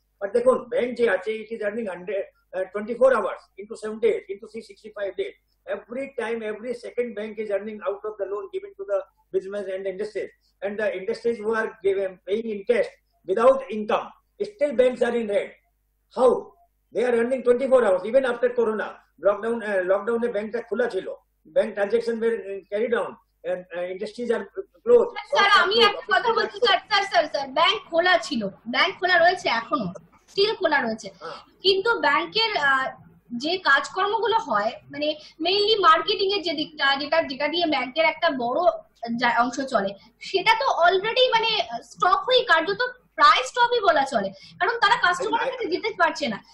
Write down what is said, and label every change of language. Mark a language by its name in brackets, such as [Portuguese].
[Bangla] But দেখুন, bank যে আছে [English] It is earning 24 hours into 7 days into 365 days, every time every second bank is earning out of the loan given to the business and industries, and the industries who are given paying interest without income, still banks are in red. How? They are earning 24 hours even after corona lockdown. Lockdown the bank [Bangla] ta khula chilo, [English] bank transaction were carried on, and industries are closed. [Bangla] Sir, sir, ami ekta kotha bolchi, sir, bank khola chilo, bank khola royeche ekhono, still khola royeche, kintu bank er যে কাজকর্ম গুলো হয়, মানে mainly marketing এর যে দিকটা, যেটা যেটা দিয়ে ব্যাংকের একটা বড় অংশ চলে, সেটা তো অলরেডি মানে স্টক হয়ে, কার্যত প্রায় স্টপই বলা চলে, কারণ তারা কাস্টমারের কাছে যেতে পারছে না।